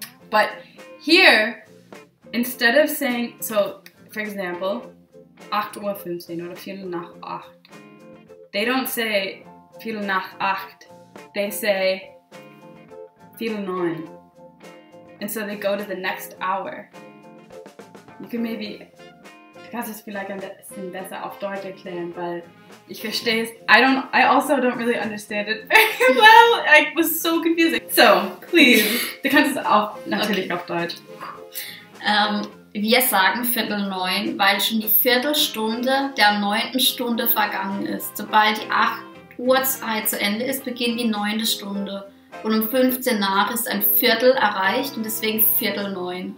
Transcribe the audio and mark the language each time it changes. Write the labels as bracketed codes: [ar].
[en] But here, instead of saying, so, for example, 8:15 [de] oder Viertel nach acht. [en] They don't say [de] Viertel nach acht. [en] They say [de] Viertel neun. [en] And so they go to the next hour. You can maybe... [de] Du kannst es vielleicht ein bisschen besser auf Deutsch erklären, weil ich verstehe es. [en] I also don't really understand it very well. I was so confusing. So, please. [de] Du kannst es auch natürlich okay. Auf Deutsch. Wir sagen Viertel neun, weil schon die Viertelstunde der neunten Stunde vergangen ist. Sobald die 8 Uhr Zeit zu Ende ist, beginnt die neunte Stunde. Und um 15 nach ist ein Viertel erreicht und deswegen Viertel neun.